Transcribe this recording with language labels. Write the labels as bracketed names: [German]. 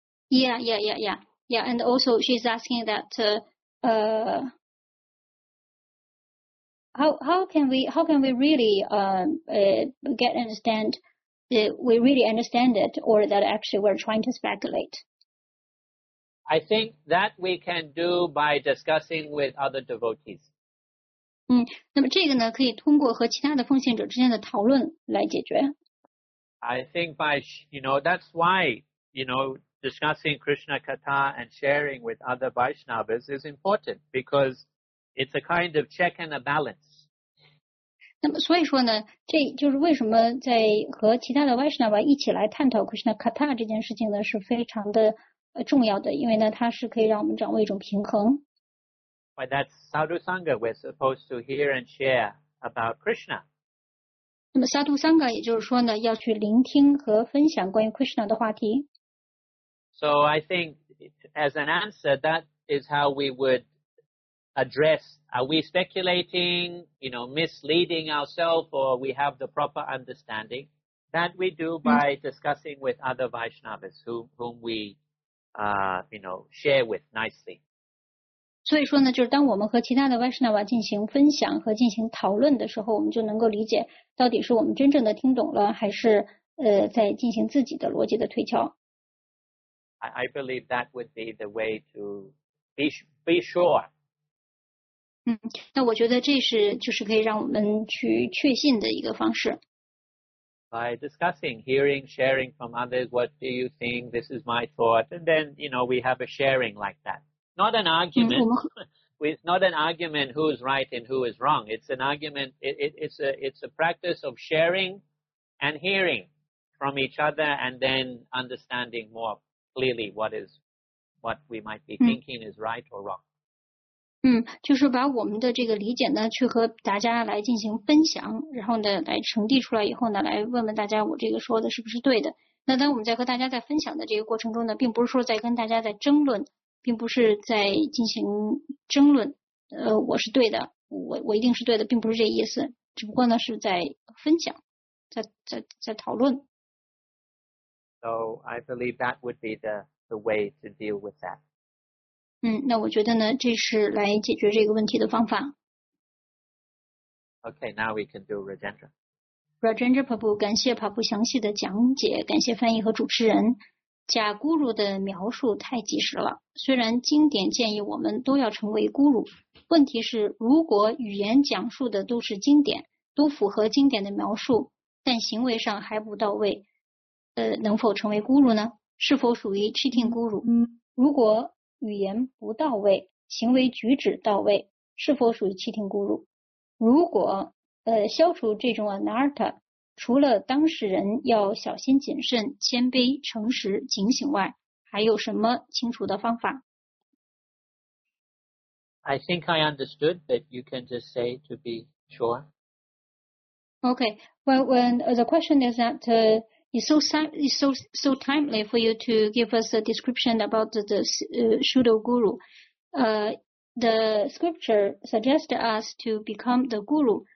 [English] Yeah and also she's asking that How can we really understand it or that actually we're trying to speculate? I think that we can do by discussing with other devotees. [Chinese] 那么这个呢可以通过和其他的奉献者之间的讨论来解决。 [English] I think by, you know, that's why, you know, discussing Krishna Katha and sharing with other Vaishnavas is important because it's a kind of check and a balance. [Chinese] 那么所以说呢这就是为什么在和其他的 Vaishnava 一起来探讨 Krishna Katha 这件事情呢是非常的重要的因为呢它是可以让我们掌握一种平衡。 [English] But that's Sadhu Sangha, we're supposed to hear and share about Krishna. [Chinese] 那么 Sadhu Sangha 也就是说呢要去聆听和分享关于 Krishna 的话题。 [English] So I think as an answer, that is how we would address,Are we speculating, you know, misleading ourselves, or we have the proper understanding that we do by discussing with other Vaishnavas whom we, you know, share with nicely. [Chinese] 所以说呢，就是当我们和其他的 Vaishnava 进行分享和进行讨论的时候，我们就能够理解到底是我们真正的听懂了，还是在进行自己的逻辑的推敲。 [English] I believe that would be the way to be sure. [Chinese] 那我觉得这是就是可以让我们去确信的一个方式。 [English] By discussing, hearing, sharing from others, what do you think? This is my thought. And then, you know, we have a sharing like that. Not an argument. It's not an argument who's right and who is wrong. It's an argument, it's a practice of sharing and hearing from each other and then understanding more clearly what we might be thinking is right or wrong. [Chinese] 就是把我们的这个理解呢去和大家来进行分享然后呢来呈递出来以后呢来问问大家我这个说的是不是对的。那当我们在和大家在分享的这个过程中呢并不是说在跟大家在争论并不是在进行争论我是对的我一定是对的并不是这意思只不过呢是在分享在讨论。 [English] So I believe that would be the way to deal with that. [Chinese] 那我觉得呢，这是来解决这个问题的方法。 [English] Okay, now we can do Rajendra. [Chinese] Rajendra Prabhu, 感谢 Prabhu 详细的讲解，感谢翻译和主持人。贾咕噜的描述太及时了，虽然经典建议我们都要成为咕噜，问题是如果语言讲述的都是经典，都符合经典的描述，但行为上还不到位，能否成为咕噜呢？是否属于 cheating 咕噜？如果语言不到位，行为举止到位，是否属于 cheating 咕噜？如果消除这种 anartha，除了当事人要小心谨慎、谦卑、诚实、警醒外，还有什么清除的方法？ [English] I think I understood, but you can just say to be sure. Okay, well, when the question is that it's so timely for you to give us a description about the pseudo guru. The scripture suggests us to become the guru.